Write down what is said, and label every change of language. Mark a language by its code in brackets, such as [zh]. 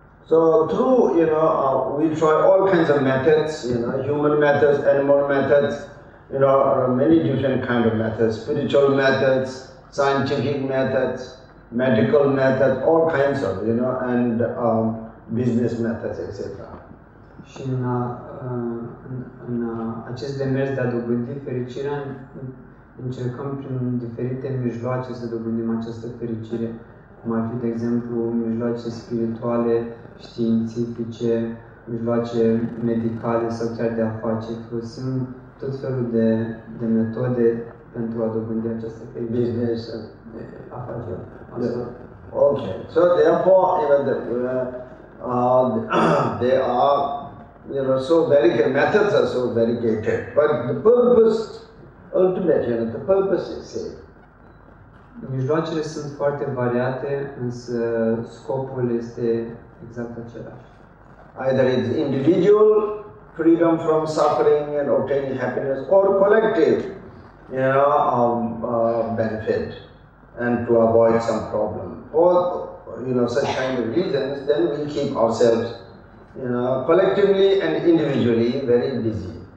[en] So through, you know, we try all kinds of methods, you know, human methods, animal methods, you know, many different kind of methods, spiritual methods, scientific methods, medical methods, all kinds of, you know, and business methods, etc. [ro] și în, a, în, în acest demers de a dobândi fericirea, încercăm prin diferite mijloace să dobândim această fericire, cum ar fi, de exemplu, mijloace spirituale, științifice, mijloace medicale sau chiar de afaceri. Folosim tot felul de, de metode pentru a dobândi această fericire. [en] Business, [ro] afaceri. Ok. [en] So, therefore, even the, there are, you know, so very good methods are so very good, but the purpose, ultimate, you know, the purpose is same. [ro] Mijloacele sunt foarte variate, însă scopul este exact același. [en] Either it's individual freedom from suffering and obtaining happiness, or collective, you know, benefit, and to avoid some problem. For, you know, such kind of reasons, then we keep ourselves, you know, collectively and individually very busy.